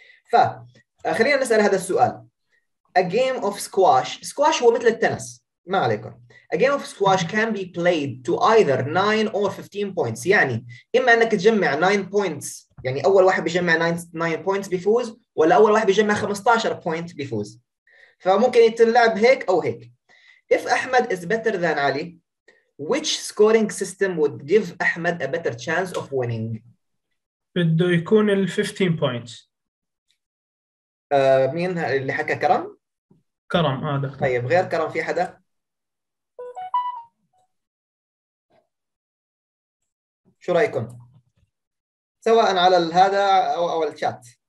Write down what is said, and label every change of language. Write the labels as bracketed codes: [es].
[ar] ف خلينا نسال هذا السؤال. [en] A game of squash، [ar] سكواش هو مثل التنس ما عليكم. [en] A game of squash can be played to either 9 or 15 points، [ar] يعني اما انك تجمع 9 points، يعني اول واحد بيجمع 9 points بيفوز، ولا اول واحد بيجمع 15 point بيفوز. فممكن يتلعب هيك او هيك. [en] If Ahmed is better than Ali, which scoring system would give Ahmed a better chance of winning؟ [ar] بده يكون ال 15 points. مين اللي حكى؟ كرم؟ كرم دكتور. طيب غير كرم في حدا؟ شو رايكم؟ سواء على هذا او الشات.